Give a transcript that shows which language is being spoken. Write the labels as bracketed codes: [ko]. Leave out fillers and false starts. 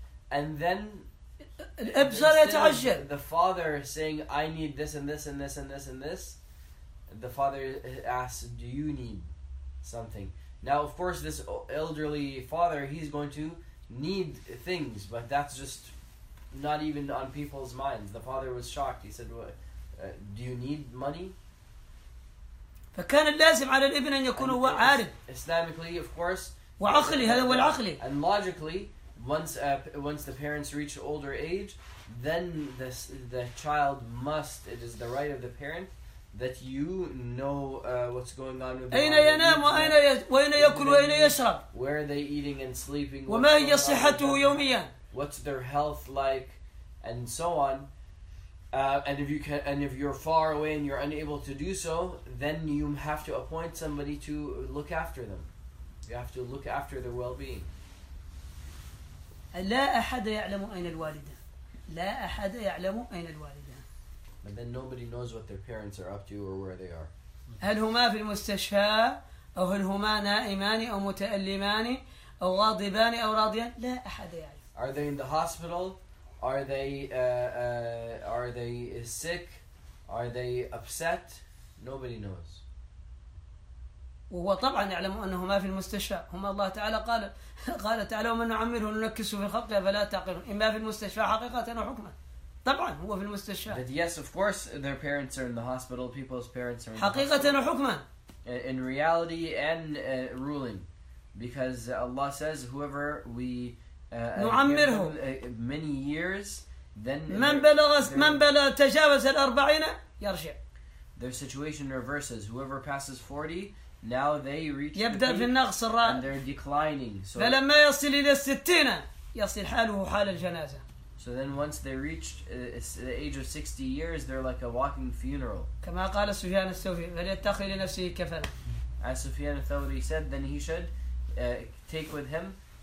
[en] And then the father saying, I need this and this and this and this and this. The father asks, do you need something? Now, of course, this elderly father, he's going to need things, but that's just not even on people's minds. The father was shocked. He said, do you need money? [ar] فكان اللازم على الابن أن يكون هو عارف. [en] Islamically, of course. [ar] وعقلي, هذا هو العقلي. [en] And logically, once the parents reach older age, then the child must, it is the right of the parent, that you know what's going on with [ar] أين ينام وأين يأكل وأين يشرب. [en] Where are they eating and sleeping? [ar] وما هي صحته يوميا. [en] What's their health like, and so on. And if you can, and if you're far away and you're unable to do so, then you have to appoint somebody to look after them. You have to look after their well-being. [ar] لا أحد يعلم أين الوالدة. لا أحد يعلم أين الوالدة. [en] But then nobody knows what their parents are up to or where they are. [ar] هل هما في المستشفى أو هل هما نائمان أو متألمان أو غاضبان أو راضيان؟ لا أحد يعلم. [en] Are they in the hospital? Are they sick? Are they upset? Nobody knows. [ar] وهو طبعا يعلم أنه ما في المستشفى. هما الله تعالى قال تعالى ومن نعمره ننكسه في الخلق فلا تعقلون. إما في المستشفى حقيقة وحكمة. طبعا هو في المستشفى. [en] But yes, of course, their parents are in the hospital. People's parents are in [ar] حقيقة وحكمة. [en] In reality and ruling, because Allah says, whoever we [ar] نعمره [en] many years, then [ar] من بلغ تجاوز الأربعين يرجع. [en] Their situation reverses. Whoever passes 40, now they reach. [ar] يبدأ [en] the [ar] في النقص الرابع. [en] And they're declining. So. [ar] فلما يصل إلى الستين يصل حاله حال الجنازة. [en] So then, once they reached the age of 60 years, they're like a walking funeral. [ar] كما قال سفيان الثوري فليتخذ لنفسه كفلا. [en] As Sufyan al-Thawri said, then he should take with him.